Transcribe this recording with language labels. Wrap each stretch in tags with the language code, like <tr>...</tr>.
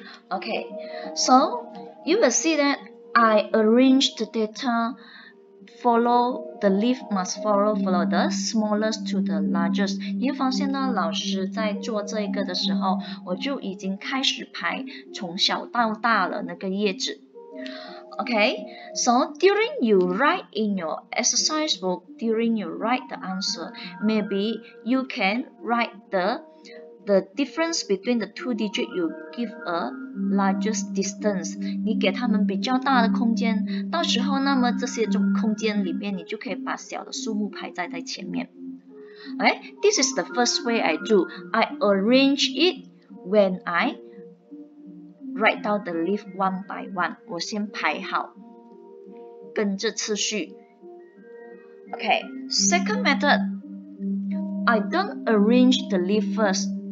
<en>Okay, so you will see that I arranged the data follow the leaf must follow the smallest to the largest.</en> <zh>你会发现呢，老师在做这个的时候，我就已经开始排从小到大了那个叶子。</zh> <en>Okay, so during you write in your exercise book, during you write the answer, maybe you can write the difference between the two digits you give a largest distance.</en> <zh>你给他们比较大的空间，到时候那么这些种空间里面，你就可以把小的数目排在前面。</zh> <en>Okay, this is the first way I do. I arrange it when I write down the leaf one by one.</en> <zh>我先排好，跟着次序。</zh> <en>Okay, second method. I don't arrange the leaf first.</en>